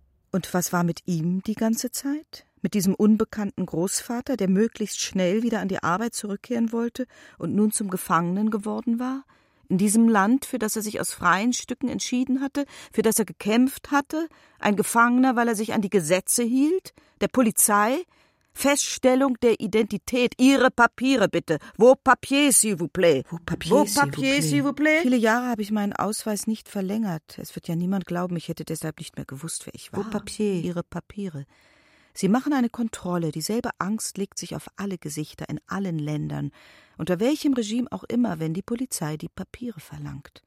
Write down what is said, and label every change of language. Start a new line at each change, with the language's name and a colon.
German: Und was war mit ihm die ganze Zeit? Mit diesem unbekannten Großvater, der möglichst schnell wieder an die Arbeit zurückkehren wollte und nun zum Gefangenen geworden war? In diesem Land, für das er sich aus freien Stücken entschieden hatte, für das er gekämpft hatte? Ein Gefangener, weil er sich an die Gesetze hielt? Der Polizei? Feststellung der Identität. Ihre Papiere bitte.
French: Vos papiers, s'il vous plaît. Vos papiers, s'il vous plaît.
German: Viele Jahre habe ich meinen Ausweis nicht verlängert. Es wird ja niemand glauben, ich hätte deshalb nicht mehr gewusst, wer ich war.
French: Vos papiers.
German: Ihre Papiere. Sie machen eine Kontrolle. Dieselbe Angst legt sich auf alle Gesichter in allen Ländern. Unter welchem Regime auch immer, wenn die Polizei die Papiere verlangt.